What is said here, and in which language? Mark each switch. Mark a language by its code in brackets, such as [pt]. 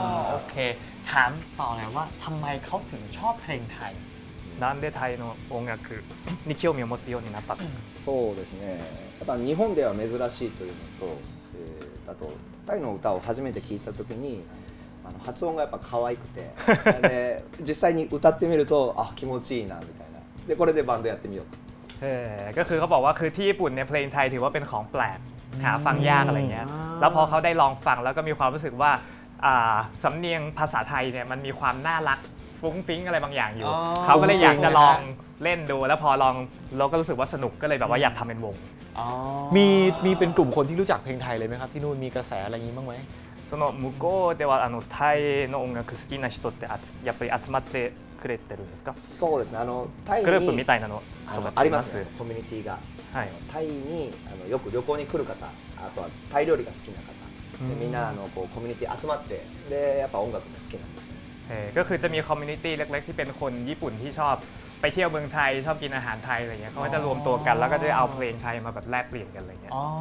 [th] โอเคถามต่อเลยว่าทำไมเขาถึงชอบเพลงไทย นั่นเดไทยโน้ตอ่ะคือนี่เขี่ยวมีมอสโยนี่นะปั๊บ [ja] そうですねやっぱ日本では珍しいというのとあとタイの歌を初めて聞いた時に発音がやっぱ可愛くてで実際に歌ってみるとあ気持ちいいなみたいなでこれでバンドやってみよう [th] ก็คือเขาบอกว่าคือที่ญี่ปุ่นเนี่ยเพลงไทยถือว่าเป็นของแปลกหาฟังยากอะไรเงี้ยแล้วพอเขาได้ลองฟังแล้วก็มีความรู้สึกว่าสำเนียงภาษาไทยเนี่ยมันมีความน่ารักฟุ้งฟิ้งอะไรบางอย่างอยู่เขาก็เลยอยากจะลองเล่นดูแล้วพอลองเราก็รู้สึกว่าสนุกก็เลยแบบว่าอยากทำเป็นวง มีเป็นกลุ่มคนที่รู้จักเพลงไทยเลยไหมครับที่นู่นมีกระแสอะไรงี้บ้างไหม [ja] その向こうではあのタイの音楽好きな人ってやっぱり集まってくれてるんですか？そうですね。あのタイにグループみたいなのあります。コミュニティが、はい、タイにあのよく旅行に来る方、あとはタイ料理が好きな方、でみんなあのこうコミュニティ集まってでやっぱ音楽も好きなんですね。 [th] ก็คือจะมีคอมมูนิตี้เล็กๆที่เป็นคนญี่ปุ่นที่ชอบไปเที่ยวเมืองไทยชอบกินอาหารไทยอะไรเงี้ยเขาก็จะรวมตัวกันแล้วก็จะเอาเพลงไทยมาแบบแลกเปลี่ยนกันอะไรเงี้ย